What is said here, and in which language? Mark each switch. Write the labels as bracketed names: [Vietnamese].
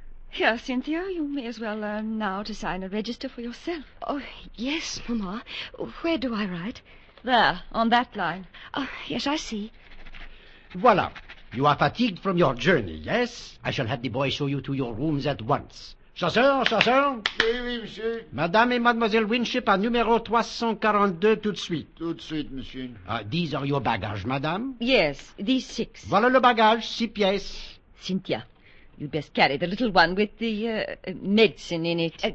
[English] Here, Cynthia, you may as well learn now to sign a register for yourself. Oh, yes, Mama. Where do I write? There, on that line. Oh, yes, I see. [French] Voila. [English] You are fatigued from your journey, yes? I shall have the boy show you to your rooms at once. [French] Chasseur, chasseur. Oui, monsieur. Madame et Mademoiselle Winship à numéro 342, tout de suite. Tout de suite, monsieur. [English] These are your bagages, madame? Yes, these six. [French] Voilà le bagage, 6 pièces. [English] Cynthia, you'd best carry the little one with the medicine in it.